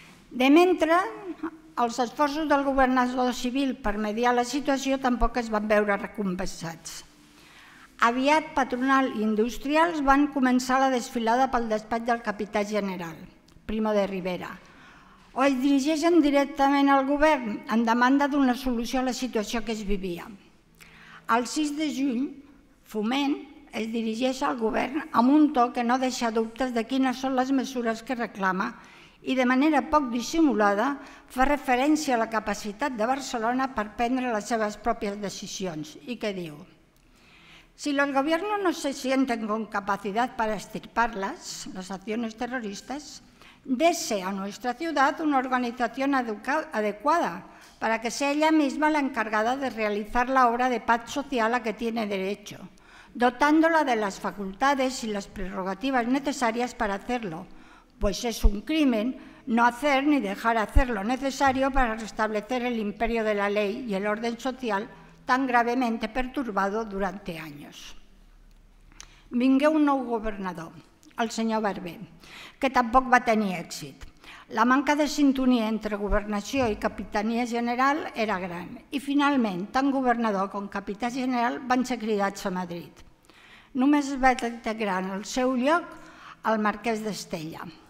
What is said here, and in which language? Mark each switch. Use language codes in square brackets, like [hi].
[ca] De mentre, els esforços del governador civil per mediar la situació tampoc es van veure recompensats. Aviat patronal i industrials van començar la desfilada pel despatx del capità general, Primo de Rivera, o es dirigeixen directament al govern en demanda d'una solució a la situació que es vivia. El 6 de juny, Foment es dirigeix al govern amb un to que no deixa dubtes de quines són les mesures que reclama i de manera poc dissimulada fa referència a la capacitat de Barcelona per prendre les seves pròpies decisions i que diu: [es] si los gobiernos no se sienten con capacidad para extirparlas, las acciones terroristas, dese a nuestra ciudad una organización adecuada para que sea ella misma la encargada de realizar la obra de paz social a que tiene derecho, dotándola de las facultades y las prerrogativas necesarias para hacerlo, pues es un crimen no hacer ni dejar hacer lo necesario para restablecer el imperio de la ley y el orden social tan gravemente perturbado durante años. [ca] Vingué un nou governador, el senyor Barbé, que tampoc va tenir èxit. La manca de sintonia entre governació i capitania general era gran i finalment tant governador com capità general van ser cridats a Madrid. Només va integrar en el seu lloc el marquès d'Estella.